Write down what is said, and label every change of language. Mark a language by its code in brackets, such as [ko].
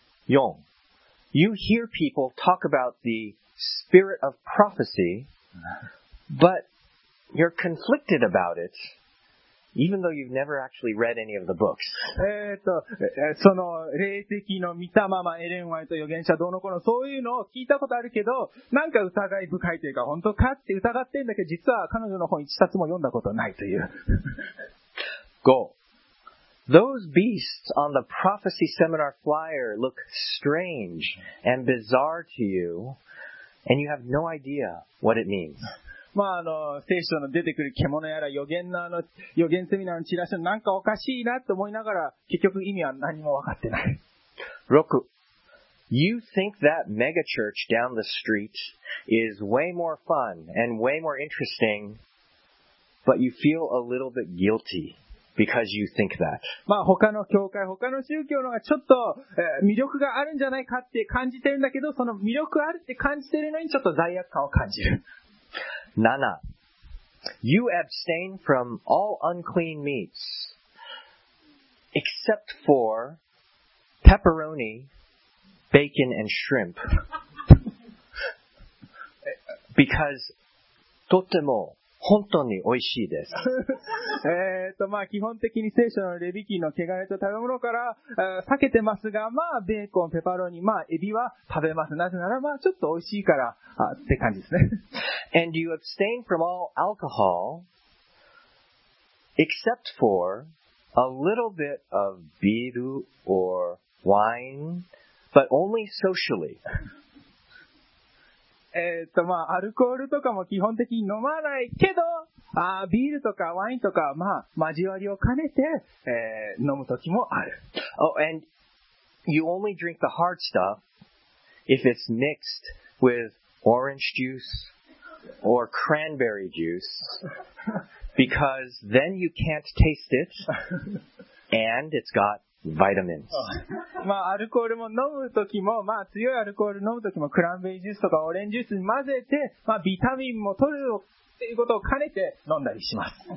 [en] 4. You hear people talk about the spirit of prophecy, but you're conflicted about it, even though you've never actually read any of the books. [ja] その霊的の御霊、まあ、エレン・ワイト預言者どうのこうの、そういうのを聞いたことあるけど、なんか疑い深いというか、本当かって疑ってるんだけど、実は彼女の本一冊も読んだことないという。 [en] Go. Those beasts on the prophecy seminar flyer look strange and bizarre to you, and you have no idea what it means. [ja] まあ、あの、聖書の出てくる獣やら予言セミナーのチラシのなんかおかしいなと思いながら、結局意味は何もわかってない。 [en] 6. You think that mega church down the street is way more fun and way more interesting, but you feel a little bit guilty. Because you think that. [ja] まあ他の教会、他の宗教の方がちょっと、魅力があるんじゃないかって感じてるんだけど、その魅力あるって感じてるのにちょっと罪悪感を感じる。 [en] 7. You abstain from all unclean meats, except for pepperoni, bacon and shrimp. Because [ja] とても本当に美味しいです。まあ、基本的に聖書のレビ記の汚れと食べ物から、避けてますが、まあ、ベーコン、ペパロニ、まあ、エビは食べます。なぜなら、まあ、ちょっと美味しいから、って感じですね。 [en] And you abstain from all alcohol, except for a little bit of beer or wine, but only socially. [ja] まあ、アルコールとかも基本的に飲まないけど、ビールとかワインとか、まあ、交わりを兼ねて、飲むときもある。 [en] Oh, and you only drink the hard stuff if it's mixed with orange juice or cranberry juice because then you can't taste it and it's got vitamins. [ja] まあ、アルコールも飲むときも、まあ、強いアルコール飲むときも、クランベリージュースとかオレンジジュースに混ぜて、まあ、ビタミンも取るっていうことを兼ねて飲んだりします。